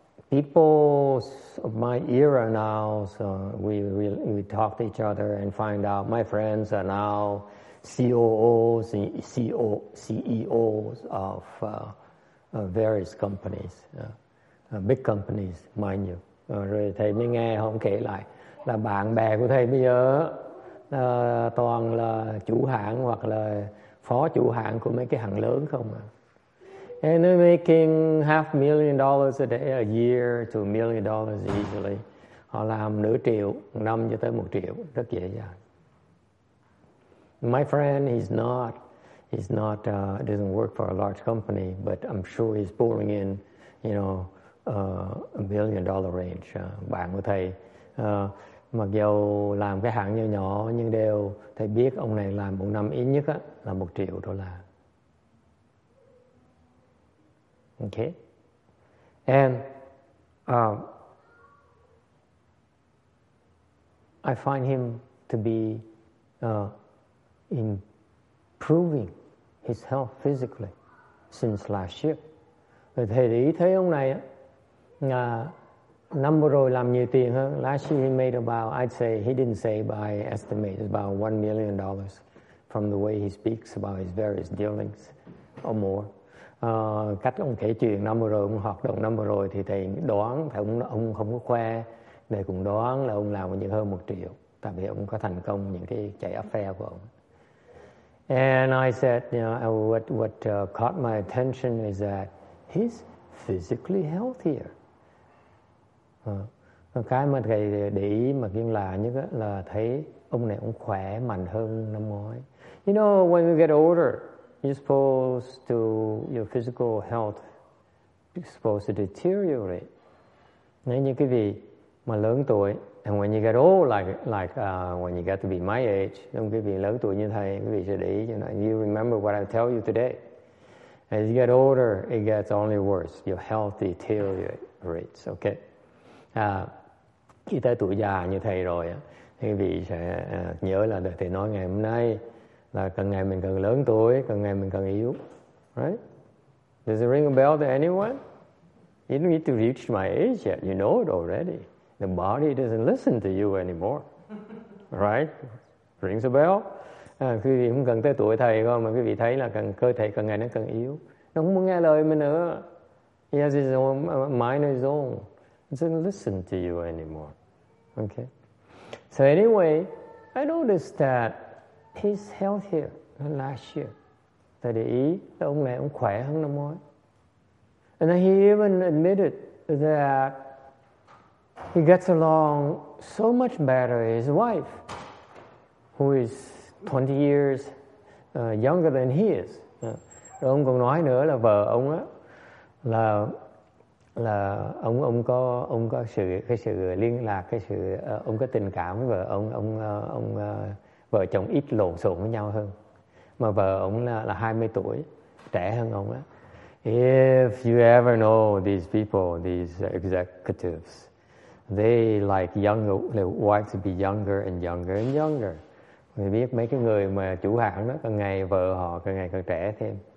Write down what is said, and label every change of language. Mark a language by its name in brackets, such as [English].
[English] People of my era now, so we talk to each other and find out my friends are now COOs and CEOs of various companies, big companies, mind you. [Vietnamese] Rồi thầy mới nghe họ kể lại là bạn bè của thầy bây giờ toàn là chủ hãng hoặc là phó chủ hãng của mấy cái hãng lớn không à. [English] And they're making $500,000 a day, a year, to $1,000,000 easily. [Vietnamese] Họ làm nửa triệu, năm cho tới một triệu, rất dễ dàng. [English] My friend, he's not, doesn't work for a large company, but I'm sure he's pulling in, you know, $1,000,000,000 range. [Vietnamese] Bạn của thầy, mặc dù làm cái hãng nhỏ nhỏ, nhưng đều thầy biết ông này làm một năm ít nhất là một triệu đô la. [English] Okay, and I find him to be improving his health physically since last year. [Vietnamese] Thầy để ý thấy ông này á, năm vừa rồi làm nhiều tiền hơn. [English] Last year he made about, I'd say, he didn't say, but I estimate about $1,000,000 from the way he speaks about his various dealings or more. [Vietnamese] Cách ông kể chuyện năm vừa rồi, ông hoạt động năm vừa rồi thì thầy đoán, thầy ông không có khoe, thầy cũng đoán là ông làm nhiều hơn một triệu, tại vì ông có thành công những cái chạy affair của ông. [English] And I said, you know, what caught my attention is that he's physically healthier. [Vietnamese] Cái mà thầy để ý mà kiêng lạ nhất là thấy ông này ông khỏe mạnh hơn năm ngoái. [English] You know, when you get older, you're supposed to, your physical health is supposed to deteriorate. [Vietnamese] Nếu như cái vị mà lớn tuổi, [English] and when you get old, when you get to be my age, [Vietnamese] nếu cái vị lớn tuổi như thầy, cái vị sẽ để ý, [English] you remember what I tell you today. As you get older, it gets only worse. Your health deteriorates, okay? [Vietnamese] Khi tới tuổi già như thầy rồi, cái vị sẽ nhớ là thầy nói ngày hôm nay, là càng ngày mình càng lớn tuổi, càng ngày mình càng yếu, right? [English] Does it ring a bell to anyone? You don't need to reach my age yet. You know it already. The body doesn't listen to you anymore, right? Rings a bell? [Vietnamese] Quý vị không cần tới tuổi thầy thôi, mà quý vị thấy là càng cơ thể càng ngày nó càng yếu. Nó không muốn nghe lời mình nữa. [English] He has his own mind of his own. It doesn't listen to you anymore. Okay. So anyway, I noticed that he's healthier than last year. [Vietnamese] Thầy để ý là ông này ông khỏe hơn năm ngoái. [English] And then he even admitted that he gets along so much better with his wife, who is 20 years younger than he is. [Vietnamese] Rồi ông còn nói nữa là vợ ông á, là ông có sự cái sự liên lạc, cái sự ông có tình cảm với vợ ông vợ chồng ít lộn xộn với nhau hơn. Mà vợ ông là 20 tuổi, trẻ hơn ông á. [English] If you ever know these people, these executives, they like younger, their wife to be younger and younger and younger. [Vietnamese] Mình biết mấy cái người mà chủ hãng đó, càng ngày vợ họ càng ngày càng trẻ thêm.